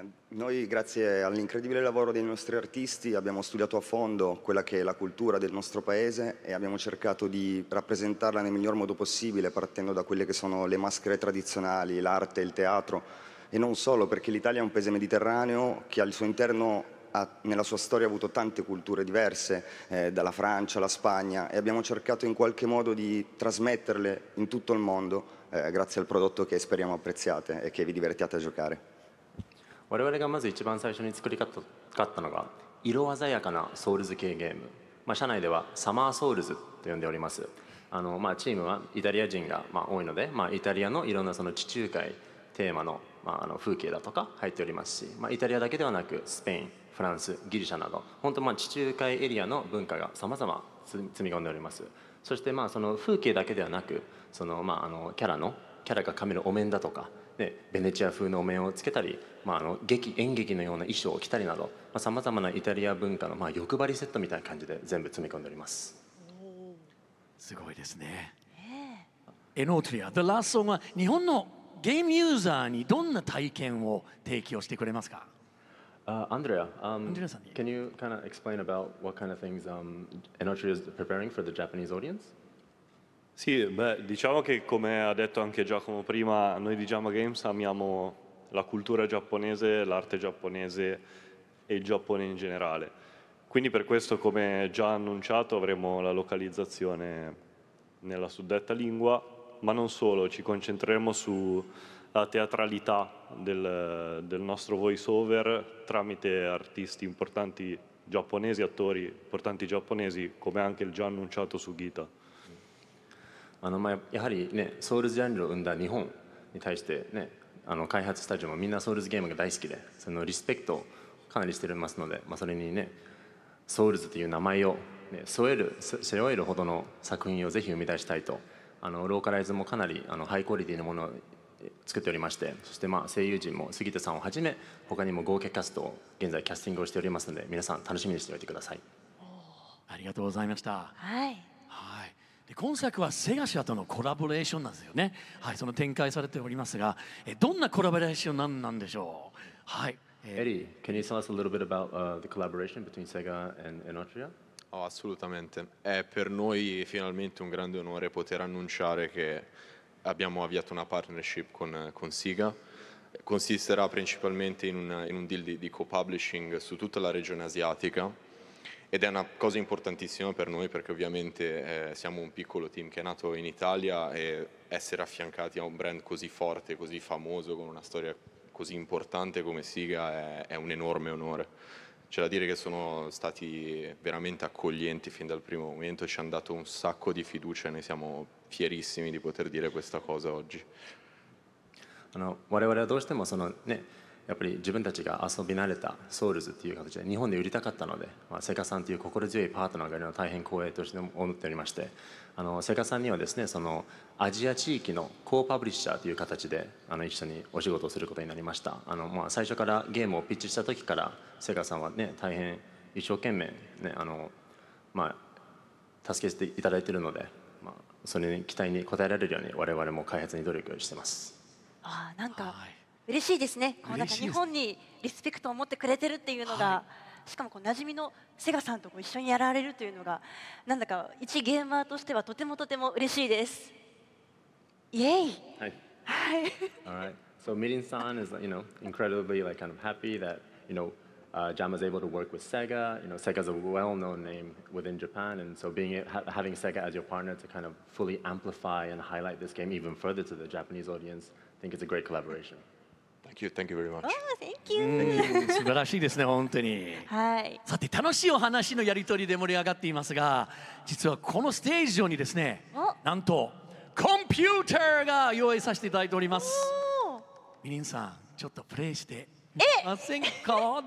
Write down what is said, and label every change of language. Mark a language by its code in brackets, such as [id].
[it] Noi, grazie all'incredibile lavoro dei nostri artisti, abbiamo studiato a fondo quella che è la cultura del nostro paese e abbiamo cercato di rappresentarla nel miglior modo possibile, partendo da quelle che sono le maschere tradizionali, l'arte, il teatro, e non solo, perché l'Italia è un paese mediterraneo che al suo interno ha, nella sua storia, ha avuto tante culture diverse, dalla Francia alla Spagna, e abbiamo cercato in qualche modo di trasmetterle in tutto il mondo, grazie al prodotto che speriamo apprezziate e che vi divertiate a giocare. [ja] 我々がまず一番最初に作りかったのが色鮮やかなソウルズ系ゲーム、まあ、社内ではサマーソウルズと呼んでおります。あの、まあ、チームはイタリア人が、まあ、多いので、まあ、イタリアのいろんなその地中海テーマの、まあ、あの風景だとか入っておりますし、まあ、イタリアだけではなくスペイン、フランス、ギリシャなど本当まあ地中海エリアの文化がさまざま積み込んでおります。そしてまあその風景だけではなくその、まあ、あのキャラが噛めるお面だとかでベネチア風のお面をつけたり、まあ、あの劇演劇のような衣装を着たりなど、まあ、様々なイタリア文化の、まあ、欲張りセットみたいな感じで全部詰め込んでおります。すごいですね。エノートリア、The Last Song は日本のゲームユーザーにどんな体験を提供してくれますか？ [en] Andrea, can you kind of explain about what kind of things Enotria is preparing for the Japanese audience? [it] Sì, beh, diciamo che come ha detto anche Giacomo prima, noi di Jama Games amiamo la cultura giapponese, l'arte giapponese e il Giappone in generale. Quindi per questo, come già annunciato, avremo la localizzazione nella suddetta lingua, ma non solo, ci concentreremo sulla teatralità del nostro voiceover tramite artisti importanti giapponesi, attori importanti giapponesi, come anche il già annunciato Sugita. [ja] あのまあやはりねソウルズジャンルを生んだ日本に対してねあの開発スタジオもみんなソウルズゲームが大好きでそのリスペクトをかなりしていますので、まあそれにねソウルズという名前をね背負えるほどの作品をぜひ生み出したいと、あのローカライズもかなりあのハイクオリティのものを作っておりまして、そしてまあ声優陣も杉田さんをはじめ他にも豪華キャストを現在キャスティングをしておりますので、皆さん楽しみにしておいてください。ありがとうございました。はい、はい、で今作はセガシアとのコラボレーションなんですよね。はい、その展開されておりますが、どんなコラボレーションなんでしょう。はい。 [en] Eddie, can you tell us a little bit about the collaboration between Sega and Enotria? [it] Oh, assolutamente. È per noi finalmente un grande onore poter annunciare che abbiamo avviato una partnership con Sega. Consisterà principalmente in un deal di co-publishing su tutta la regione asiatica. Ed è una cosa importantissima per noi perché ovviamente siamo un piccolo team che è nato in Italia e essere affiancati a un brand così forte, così famoso, con una storia così importante come Sega è un enorme onore. C'è da dire che sono stati veramente accoglienti fin dal primo momento, ci hanno dato un sacco di fiducia e ne siamo fierissimi di poter dire questa cosa oggi. Allora, [ja] 我々はどうしてもそのね、やっぱり自分たちが遊び慣れたソウルズという形で日本で売りたかったので、まあ、セガさんという心強いパートナーがいるのは大変光栄として思っておりまして、あのセガさんにはですねそのアジア地域のコーパブリッシャーという形であの一緒にお仕事をすることになりました。あの、まあ、最初からゲームをピッチした時からセガさんはね大変一生懸命、ねあのまあ、助けていただいているので、まあ、それに期待に応えられるように我々も開発に努力しています。あ、なんか、はい、嬉しいですね。こうなんか日本にリスペクトを持ってくれてるっていうのが、しかもこう馴染みのセガさんと一緒にやられるというのが、なんだか一ゲーマーとしてはとてもとても嬉しいです。イエイ。はい。 [en] All right. So meeting San is, you know, incredibly like kind of happy that, you know, JAMA is able to work with Sega. You know, Sega is a well-known name within Japan, and so having Sega as your partner to kind of fully amplify and highlight this game even further to the Japanese audience, I think it's a great collaboration. Thank you very much. Oh, thank you. [ja] 素晴らしいですね、本当に。はい。さて、楽しいお話のやり取りで盛り上がっていますが、実はこのステージ上にですね、なんとコンピューターが用意させていただいております。みりんさん、ちょっとプレイしてみませんか？